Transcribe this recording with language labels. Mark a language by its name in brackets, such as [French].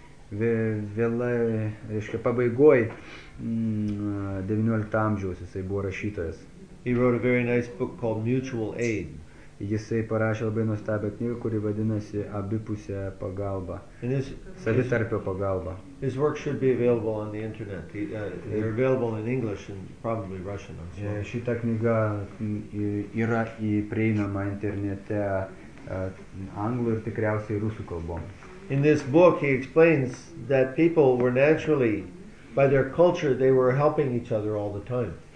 [Lithuanian] Vėlai, reiškia, pabaigoj 19 amžiaus jisai buvo rašytojas. [English] He wrote a very nice book called Mutual Aid. [Lithuanian] Jisai parašė labai nuostabią knygą, kuri vadinasi Abipusė pagalba. Savitarpio pagalba. [English] His work should be available on the internet. They're available in English and probably Russian as well. [Lithuanian] Šita knyga yra prieinama internete anglų ir tikriausiai rusų kalbom. [English] In this book he explains that people were naturally, by their culture, they were helping each other all the time.